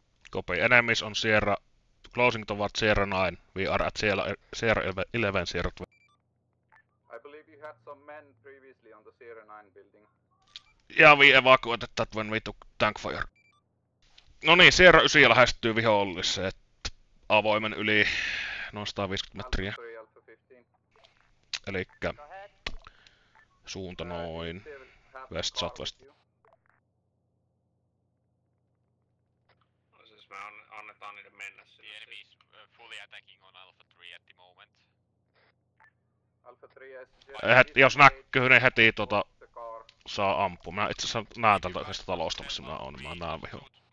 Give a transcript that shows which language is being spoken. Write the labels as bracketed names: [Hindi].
[English] Copy. Enemies on Sierra. Closing towards Sierra 9. We are at Sierra 11, Sierra 12. I believe you had some men previously on the Sierra 9 building. Yeah, we evacuated that when we took tank fire. [Finnish] No niin, Sierra 9 lähestyy viholliset avoimen yli noin 150 metriä. Elikkä suunta noin [English] west southwest. [Finnish] No siis me annetaan niiden mennä sinne. [English] The enemy is fully attacking on Alpha 3 at the moment. [Finnish] Alpha 3 jos näkyy, niin heti tota saa ampua. Mä itse asiassa näen tältä yhdestä talosta, missä mä oon. Mä näen vihon.